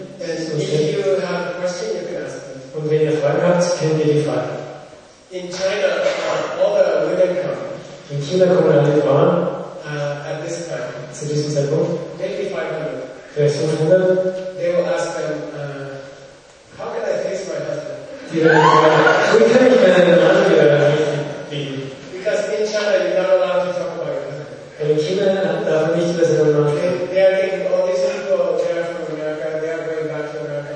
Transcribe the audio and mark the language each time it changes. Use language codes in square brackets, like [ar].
[en] And if you have a question, you can ask. [de] Und wenn ihr Fragen habt, könnt ihr die Frage. [en] In China, all the women come. [de] In China kommen alle Frauen. [en] At this time. [de] Zu diesem Zeitpunkt. [en] Maybe 500. [de] Vielleicht 500. [en] They will ask them, how can I face my husband? [de] Die werden fragen, wie kann ich meinen Mann wieder erreichen? [en] Because in China, you're not allowed to talk about your husband. [de] In China darf man nicht über seinen Mann sprechen. [en] They are thinking, oh, these people, they are from America, they are going back to America.